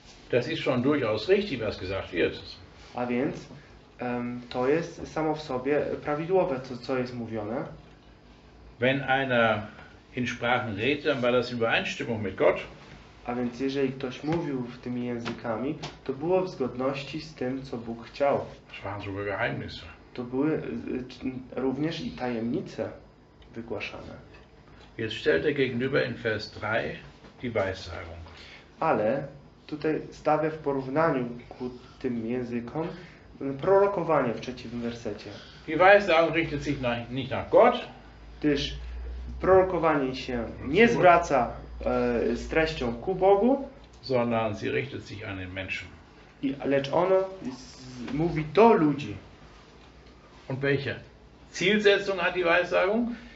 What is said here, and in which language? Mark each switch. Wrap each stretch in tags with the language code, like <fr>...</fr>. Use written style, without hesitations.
<de>Das ist schon durchaus richtig, was gesagt wird.</de> <pl>A więc to jest samo w sobie prawidłowe, co jest mówione.</pl> <de>Wenn einer in Sprachen redet, dann war das in Übereinstimmung mit Gott.</de> <pl>A więc jeżeli ktoś mówił w tymi językami, to było w zgodności z tym, co Bóg chciał.</pl> <de>Das waren sogar Geheimnisse.</de> <pl>To były również i tajemnice wygłaszane.</pl> <de>Jetzt stellt er gegenüber in Vers 3 die Weissagung.</de> <pl>Ale tutaj stawia w porównaniu ku tym językom prorokowanie w trzecim wersecie.</pl> <de>Die Weissagung richtet sich nicht nach Gott.</de> <pl>Gdyż prorokowanie się nie zwraca z treścią ku Bogu,</pl> <de>sondern sie richtet sich an den Menschen.</de> <pl>Lecz ono mówi do ludzi.</pl> <de>Und welche Zielsetzung hat die Weissagung?</de>